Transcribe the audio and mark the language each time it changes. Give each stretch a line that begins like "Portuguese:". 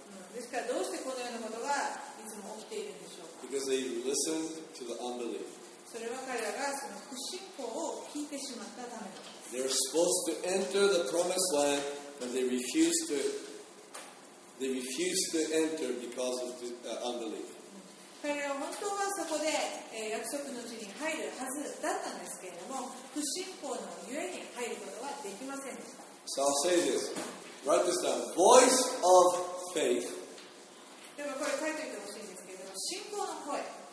Japanese: ですからどうしてこのようなことがいつも起きているんでしょうか。
English: Because they listened to the unbelief.
Japanese: それは彼らがその不信仰を聞いてしまったためです。
English: They were supposed to enter the promised land, but they refused to. They refused to enter because of the unbelief.
Japanese: 彼は本当はそこで約束の地に入るはずだったんですけれども、不信仰のゆえに入ることはできませんでした。
English: So I'll say this. Write this down. Voice of faith.
Japanese: でもこれ書いておいてほしいんですけれども、信仰の声。